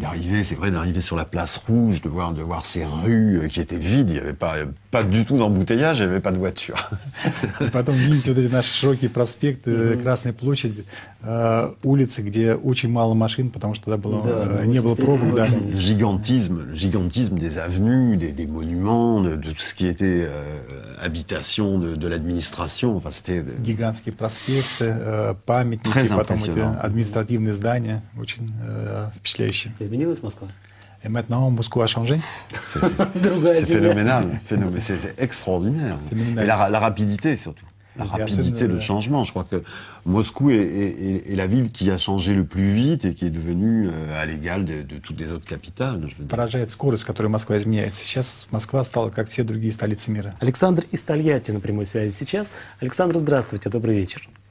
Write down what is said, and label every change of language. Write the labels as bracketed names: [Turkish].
[French] D'arriver, c'est vrai, d'arriver sur la place rouge, de voir ces rues qui étaient vides, il y avait pas du tout d'embouteillage, il y avait pas de voiture. [Russian] И потом видеть вот эти наши широкие проспекты, Красная площадь, улицы, где очень мало машин, потому что тогда было, не было пробок. Да. [French] Gigantisme des avenues, des monuments, de tout ce qui était habitation de l'administration. Enfin, c'était... [Russian] Гигантские проспекты, памятники, потом эти административные здания, очень... впечатляюще. Изменилась Москва? [French] Et maintenant, Moscou a changé. C'est phénoménal. C'est extraordinaire. Et la rapidité, surtout. La rapidité, le changement. Je crois que Moscou est la ville qui a changé le plus vite et qui est devenue à l'égal de toutes les autres capitales. [Russian] Поражает скорость, с которой Москва изменяется. Сейчас Москва стала, как все другие столицы мира. Александр из Тольятти на прямой связи сейчас. Александр, здравствуйте, добрый вечер.